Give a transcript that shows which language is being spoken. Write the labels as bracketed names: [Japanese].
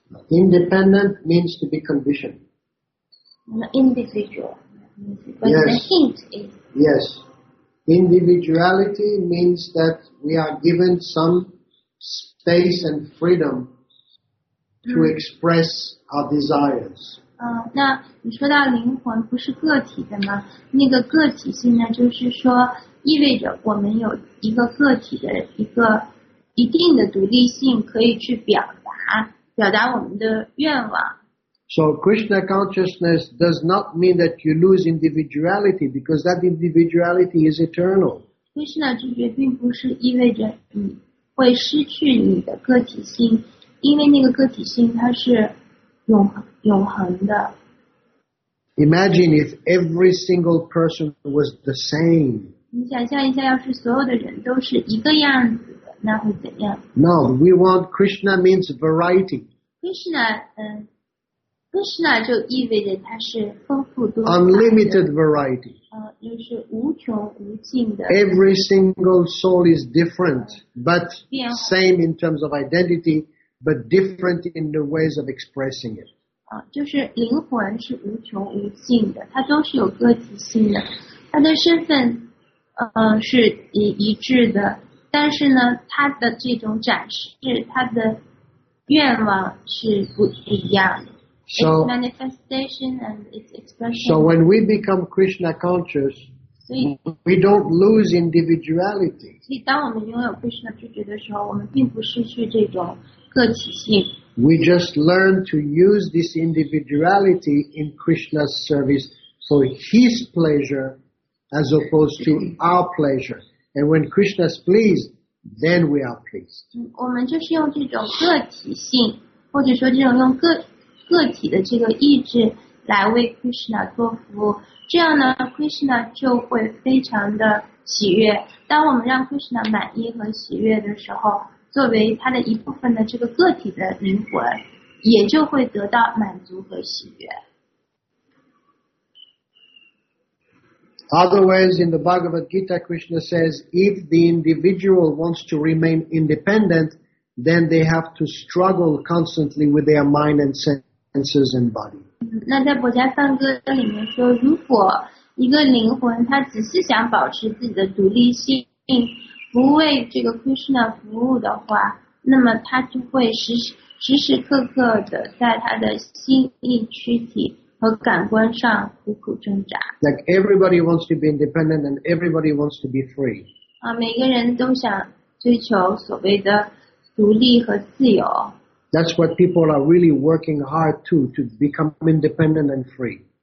[English] Independent means to be conditioned. Individual. But yes. The hint is yes. Individuality means that we are given some space and freedom to express our desires. [Chinese] 那你说到灵魂不是个体的吗？那个个体性呢，就是说意味着我们有一个个体的一个一定的独立性，可以去表达表达我们的愿望。 [English] So Krishna consciousness does not mean that you lose individuality because that individuality is eternal. [Chinese] Krishna 知觉并不是意味着你会失去你的个体性，因为那个个体性它是永恒的。 [English] Imagine if every single person was the same. [Chinese] 你想象一下，要是所有的人都是一个样子的，那会怎样 [English] ？No, we want Krishna means variety. [Chinese] Krishna, Krishna 就意味着它是丰富多样的。 [English] Unlimited variety. [Chinese] 就是无穷无尽的。 [English] Every single soul is different, but same in terms of identity, but different in the ways of expressing it. [Chinese] 就是灵魂是无穷无尽的，它都是有个体性的，它的身份是一致的，但是呢它的这种展示，它的愿望是不一样的。 [English] So, its manifestation and its expression. So when we become Krishna conscious, we don't lose individuality. [Chinese] 所以当我们拥有 Krishna 知觉的时候，我们并不失去这种个体性。 [English] We just learn to use this individuality in Krishna's service for his pleasure as opposed to our pleasure. And when Krishna's pleased, then we are pleased. [Chinese] 我们就是用这种个体性，或者说这种用个体的这个意志来为 Krishna 做服务，这样呢 Krishna 就会非常的喜悦。当我们让 Krishna 满意和喜悦的时候，作为他的一部分的这个个体的灵魂，也就会得到满足和喜悦。 [English] Otherwise, in the Bhagavad Gita, Krishna says, if the individual wants to remain independent, then they have to struggle constantly with their mind and senses and body. [Chinese] 那在博伽梵歌里面说，如果一个灵魂他只是想保持自己的独立性，不为这个 Krishna 服务的话，那么他就会时时刻刻的在他的心意、躯体和感官上苦苦挣扎。 [English] Like everybody wants to be independent and everybody wants to be free. [Chinese] 每个人都想追求所谓的独立和自由。 [English] That's what people are really working hard to become independent and free.